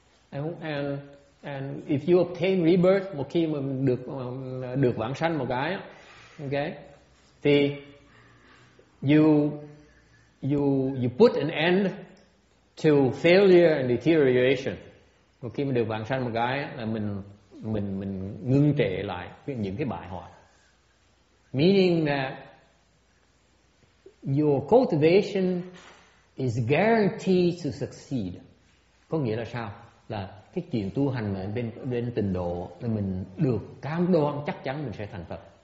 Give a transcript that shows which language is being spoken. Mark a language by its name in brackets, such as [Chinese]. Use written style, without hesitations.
[English] And if you obtain rebirth, [Vietnamese] một khi mà được vãng sanh một cái, [English] okay, thì you put an end to failure and deterioration. [Vietnamese] Một khi mà được vãng sanh một cái là mình ngưng trệ lại những cái bại hoại. [English] Meaning that your cultivation is guaranteed to succeed. [Vietnamese] Có nghĩa là sao? Là cái chuyện tu hành mà bên tình độ là mình được cam đoan chắc chắn mình sẽ thành Phật.